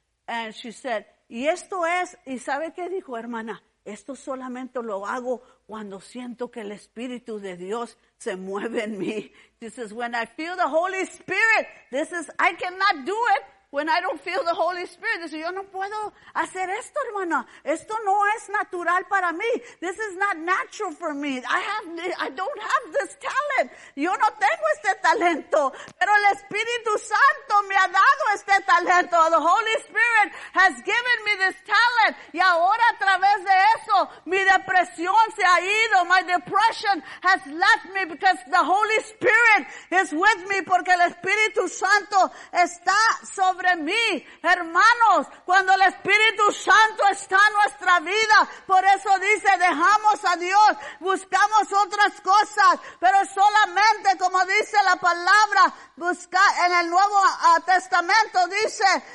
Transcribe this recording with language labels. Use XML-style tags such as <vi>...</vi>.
<en>And she said,</en> <es>y esto es, y sabe qué dijo, hermana, esto solamente lo hago cuando siento que el Espíritu de Dios se mueve en mí.</es> <en>She says, when I feel the Holy Spirit, this is, I cannot do it when I don't feel the Holy Spirit. She says,</en> <es>yo no puedo hacer esto, hermana. Esto no es natural para mí.</es> <en>This is not natural for me. I don't have this talent.</en> <es>Yo no tengo este talento. Pero el Espíritu Santo me ha dado este talento.</es> <en>The Holy Spirit has given me this talent.</en> <es>Y ahora a través de eso, mi depresión se ha ido.</es> <en>My depression has left me because the Holy Spirit is with me.</en> <es>Porque el Espíritu Santo está sobre mí. Hermanos, cuando el Espíritu Santo está en nuestra vida, por eso dice, dejamos a Dios, buscamos otras cosas, pero solamente como dice la palabra, busca en el Nuevo Testamento dice,</es>